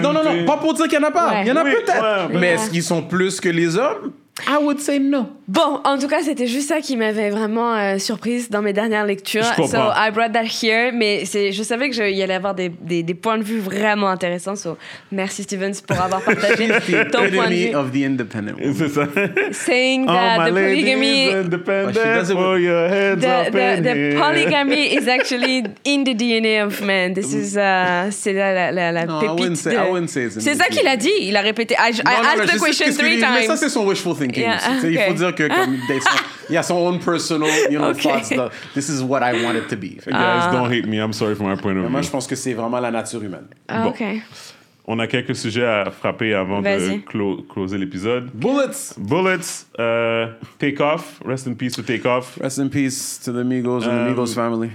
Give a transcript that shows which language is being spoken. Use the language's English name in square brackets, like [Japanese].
[French] Non, pas pour dire qu'il y en a pas. Il y en a peut-être. Mais est-ce qu'ils sont plus que les hommes? [English] I would say no. [French] Bon, en tout cas, c'était juste ça qui m'avait vraiment surprise dans mes dernières lectures. Je comprends. [English] So I brought that here, [French] mais je savais que il allait avoir des points de vue vraiment intéressants. So merci Stevens pour avoir partagé ton point de vue. [English] Enemy of the independent woman. [French] C'est ça. [English] Saying that the polygamy, the polygamy is actually in the DNA of man. This is [French] c'est la [English] no, [French] pépite. C'est ça qu'il a dit. Il a répété. [English] I asked the question 3 times. [French] Mais ça c'est son wishful thinking. [English] Yeah, okay. [French] Il faut dire que comme il a son [English] own personal, you know, okay. Thoughts. This is what I want it to be. Guys, don't hate me. I'm sorry for my point of view. [French] Moi, je pense que c'est vraiment la nature humaine. Bon. Okay. On a quelques sujets à frapper avant de closer l'épisode. [English] Bullets. Take Off. Rest in peace to Take Off. Rest in peace to the Migos and the Migos family.